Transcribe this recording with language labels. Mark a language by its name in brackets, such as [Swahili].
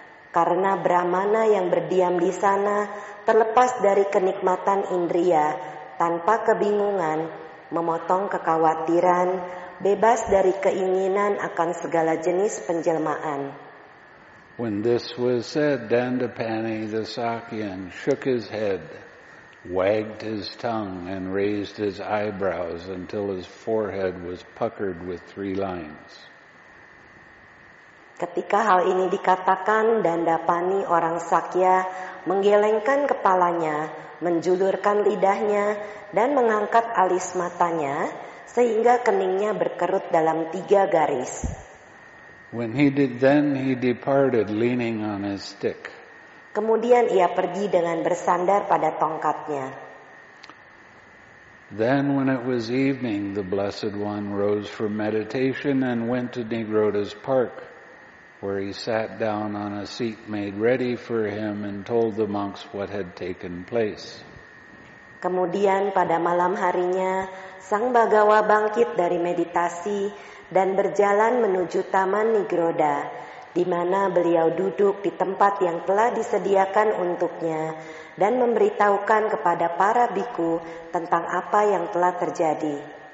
[Indonesian] karena brahmana yang berdiam di sana terlepas dari kenikmatan indria, tanpa kebingungan, memotong kekhawatiran, bebas dari keinginan akan segala jenis penjelmaan. [English] When this was said, Dandapani the Sakyan shook his head, wagged his tongue and raised his eyebrows until his forehead was puckered with three lines. [Indonesian] Ketika hal ini dikatakan, Dandapani orang Sakya menggelengkan kepalanya, menjulurkan lidahnya, dan mengangkat alis matanya sehingga keningnya berkerut dalam tiga garis. [English] When he did then, he departed leaning on his stick. [Indonesian] Kemudian ia pergi dengan bersandar pada tongkatnya. [English] Then when it was evening, the Blessed One rose from meditation and went to Nigrodha's park, where he sat down on a seat made ready for him and told the monks what had taken place. [Indonesian] Kemudian pada malam harinya, Sang Bhagawa bangkit dari meditasi dan berjalan menuju Taman Nigrodha, di mana beliau duduk di tempat yang telah disediakan untuknya dan memberitahukan kepada para bhikkhu tentang apa yang telah terjadi.